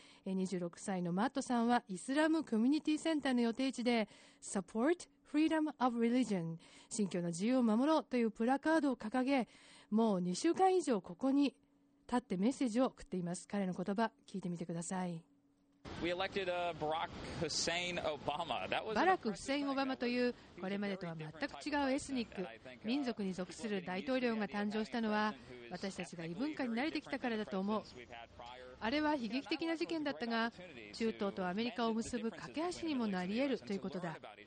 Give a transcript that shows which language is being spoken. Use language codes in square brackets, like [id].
[ja] 26歳のマットさんはイスラムコミュニティセンターの予定地で Support Freedom of Religion、信教の自由を守ろうというプラカードを掲げ、もう2週間以上ここに立ってメッセージを送っています。彼の言葉聞いてみてください。 [en] We elected Barack Hussein Obama. That was [ja] バラク・フセイン・オバマという、これまでとは全く違うエスニック、民族に属する大統領が誕生したのは、私たちが異文化に慣れてきたからだと思う。あれは悲劇的な事件だったが、中東とアメリカを結ぶ架け橋にもなり得るということだ。